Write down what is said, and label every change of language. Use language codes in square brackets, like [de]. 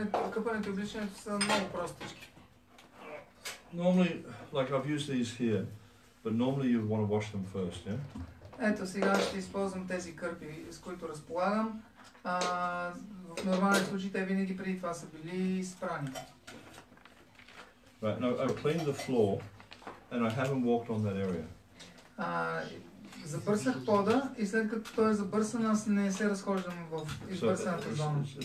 [bg] Къпането и обличането са много простички. [en] Normally, like I've used these here, but normally you'd want to wash them first, yeah? [bg] Ето сега ще използвам тези кърпи, с които разполагам. В нормални случаи те винаги преди това са били изпрани. [en] Right, now I've cleaned the floor and I haven't walked on that area. [bg] Забърсах пода и след като той е забърсан, аз не се разхождам в избърсаната зона.